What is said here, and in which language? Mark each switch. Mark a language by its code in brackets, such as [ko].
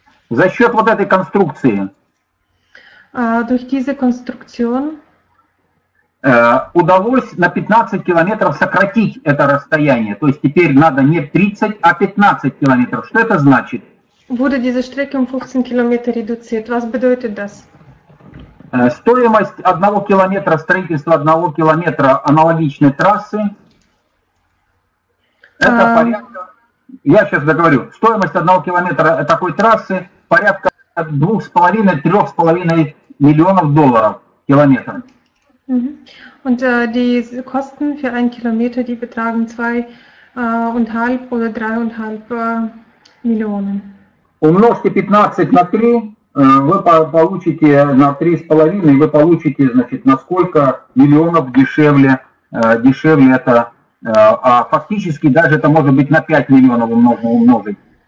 [ru] за счет вот этой конструкции, [de] durch diese Konstruktion, [ru] удалось на 15 километров сократить это расстояние. То есть теперь надо не 30, а 15 километров. Что это значит? [de] Wurde diese Strecke um 15 Kilometer reduziert. Was bedeutet das? [ru] Стоимость одного километра, строительства одного километра аналогичной трассы, это порядка, я сейчас договорю, стоимость одного километра такой трассы порядка 2,5-3,5 миллионов долларов километр. [de] Und die Kosten für einen Kilometer, die betragen 2,5 oder 3,5 Millionen. [ru] Умножьте 15 на 3, вы получите на 3,5, вы получите, значит, на сколько миллионов дешевле, дешевле это, а фактически даже это может быть на 5 миллионов умножить.